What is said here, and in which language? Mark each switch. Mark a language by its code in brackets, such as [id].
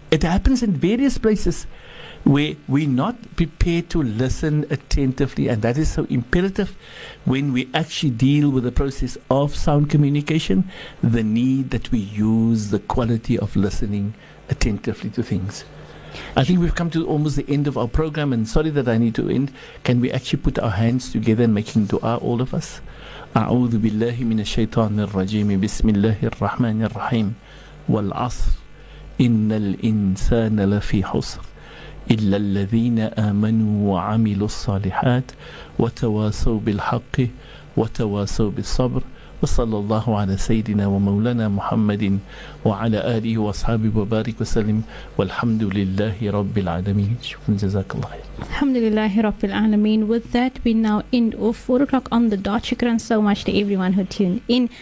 [en] It happens in various places where we're not prepared to listen attentively, and that is so imperative when we actually deal with the process of sound communication, the need that we use the quality of listening attentively to things. I think we've come to almost the end of our program, and sorry that I need to end. Can we actually put our hands together and making dua, all of us? [ar] أعوذ بالله من الشيطان الرجيم بسم الله الرحمن الرحيم والعصر إن الإنسان لفي حسر إلا الذين آمنوا وعملوا الصالحات وتواصوا بالحق وتواصوا بالصبر وصلى الله على سيدنا ومولانا محمد وعلى آله وصحبه وبارك وسلم والحمد لله رب العالمين شكرا جزاك الله الحمد لله رب العالمين. [en] With that we now end of 4 o'clock on the dot. Shukran so much to everyone who tuned in.